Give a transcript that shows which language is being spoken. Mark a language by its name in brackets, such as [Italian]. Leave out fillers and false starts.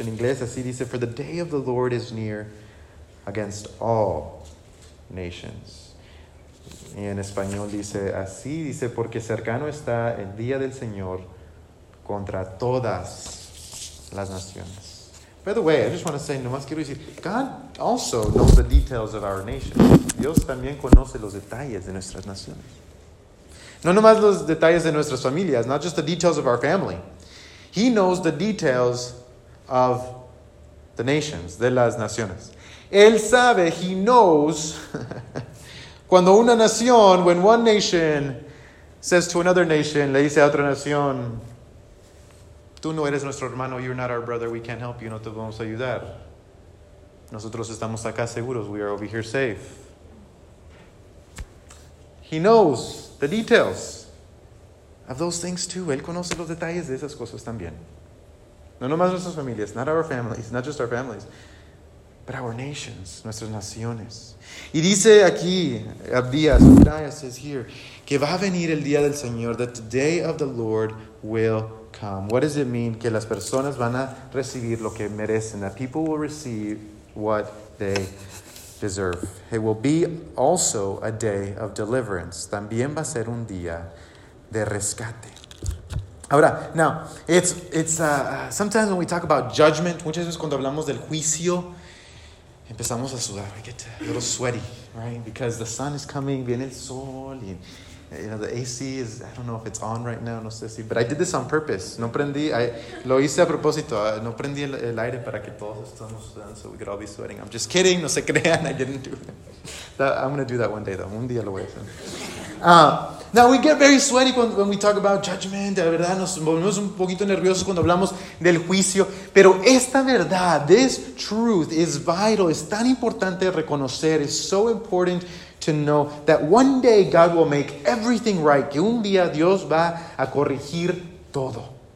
[Spanish] En inglés, así dice, [English] for the day of the Lord is near against all nations. [Spanish] Y en español dice, así dice, porque cercano está el día del Señor contra todas las naciones. [English] By the way, I just want to say, [Spanish] nomás quiero decir, [English] God also knows the details of our nation. [Spanish] Dios también conoce los detalles de nuestras naciones. No nomás los detalles de nuestras familias, [English] not just the details of our family. He knows the details of the nations, [Spanish] de las naciones. Él sabe, [English] he knows, [Spanish] cuando una nación, [English] when one nation says to another nation, [Spanish] le dice a otra nación, tú no eres nuestro hermano, [English] you're not our brother, we can't help you, [Spanish] no te vamos a ayudar. Nosotros estamos acá seguros, [English] we are over here safe. He knows the details of those things too. [Spanish] Él conoce los detalles de esas cosas también. No nomás nuestras familias, [English] not our families, not just our families, but our nations, [Spanish] nuestras naciones. Y dice aquí, [English] Abdias, Abdias says here, [Spanish] que va a venir el día del Señor, [English] that the day of the Lord will come. What does it mean? [Spanish] Que las personas van a recibir lo que merecen, [English] that people will receive what they deserve. It will be also a day of deliverance. [Spanish] También va a ser un día de rescate. Ahora, [English] now, it's sometimes when we talk about judgment, [Spanish] muchas veces cuando hablamos del juicio, empezamos a sudar. [English] I get a little sweaty, right? Because the sun is coming, [Spanish] viene el sol, y, [English] you know, the AC is, I don't know if it's on right now, [Spanish] no sé si, [English] but I did this on purpose. [Spanish] No prendí, lo hice a propósito, no prendí el aire para que todos estemos sudando, [English] so we could all be sweating. I'm just kidding, [Spanish] no se crean, [English] I didn't do that. I'm going to do that one day, though. [Spanish] Un día lo voy a hacer. [English] Now, we get very sweaty when we talk about judgment. [Spanish] De verdad, nos volvemos un poquito nerviosos cuando hablamos del juicio. Pero esta verdad, [English] this truth is vital. [Spanish] Es tan importante reconocer. [English] It's so important to know that one day God will make everything right. [Spanish] Que un día Dios va a corregir todo.